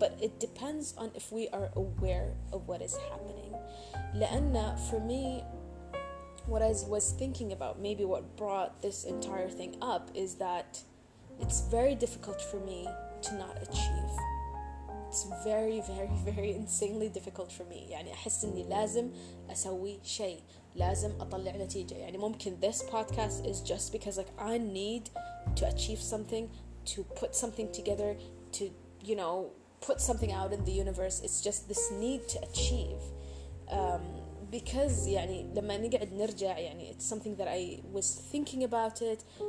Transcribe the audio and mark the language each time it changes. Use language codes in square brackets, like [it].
[en] But it depends on if we are aware of what is happening. [ar] لأنه [en] for me, what I was thinking about, maybe what brought this entire thing up, is that it's very difficult for me to not achieve. It's very, very, very insanely difficult for me. [ar] يعني أحس إني لازم أسوي شيء, لازم أطلع نتيجة. يعني ممكن [en] this podcast is just because like I need to achieve something, to put something together, to, you know, put something out in the universe. It's just this need to achieve. Because [ar] يعني لما نقعد نرجع يعني [en] it's something that I was thinking about it.